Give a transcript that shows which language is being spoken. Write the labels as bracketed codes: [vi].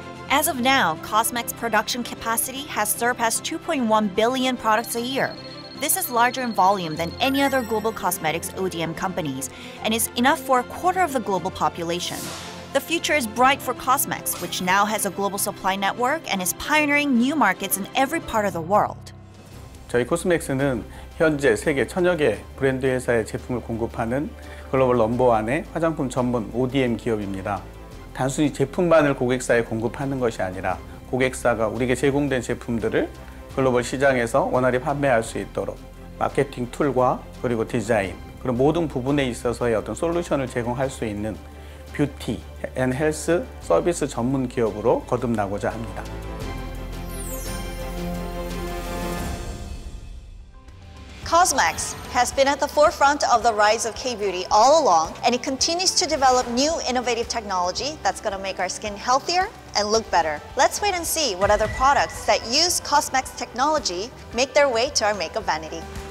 [en] As of now, Cosmax production capacity has surpassed 2.1 billion products a year. This is larger in volume than any other global cosmetics ODM companies and is enough for a quarter of the global population. The future is bright for Cosmax, which now has a global supply network and is pioneering new markets in every part of the world. [ko] 저희 코스맥스는 현재 세계 천여 개 브랜드 회사에 제품을 공급하는 글로벌 넘버원의 화장품 전문 ODM 기업입니다. 단순히 제품만을 고객사에 공급하는 것이 아니라 고객사가 우리에게 제공된 제품들을 글로벌 시장에서 원활히 판매할 수 있도록 마케팅 툴과 그리고 디자인 그런 모든 부분에 있어서의 어떤 솔루션을 제공할 수 있는 뷰티 앤 헬스 서비스 전문 기업으로 거듭나고자 합니다. [en] Cosmax has been at the forefront of the rise of K-beauty all along, and it continues to develop new innovative technology that's going to make our skin healthier and look better. Let's wait and see what other products that use Cosmax technology make their way to our makeup vanity.